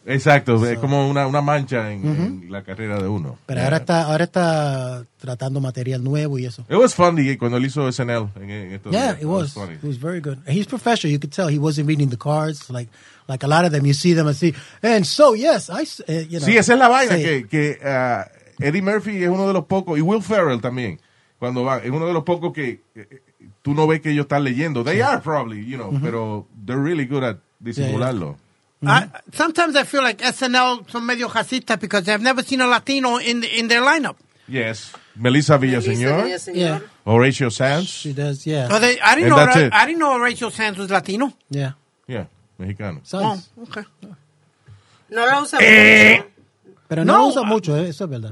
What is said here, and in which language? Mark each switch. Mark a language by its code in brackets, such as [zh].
[es] Exacto, so, es como una mancha en, en la carrera de uno. Pero ahora está tratando material nuevo y eso. [en] It was funny [es] cuando él hizo [en] SNL. It was funny. It was very good. He's professional, you could tell. He wasn't reading the cards, like a lot of them. You see them and see. And so, yes, [es] Sí, esa es la vaina, que Eddie Murphy es uno de los pocos, y Will Ferrell también. Cuando van, es uno de los pocos que tú no ves que ellos están leyendo. [en] They are probably, you know, [es] pero [en] they're really good at [es] disimularlo. [en] Sometimes I feel like SNL [es] son medio racistas [en] because I've never seen a Latino in their lineup. Yes. Melissa Villaseñor. Yeah. Horatio Sanz. She does, yeah. So I didn't know Horatio Sanz was Latino. Yeah. [es] Yeah, Mexicano. [en] Sanz. Oh, okay. [es] No lo usa Pero no lo usa mucho, eso es verdad.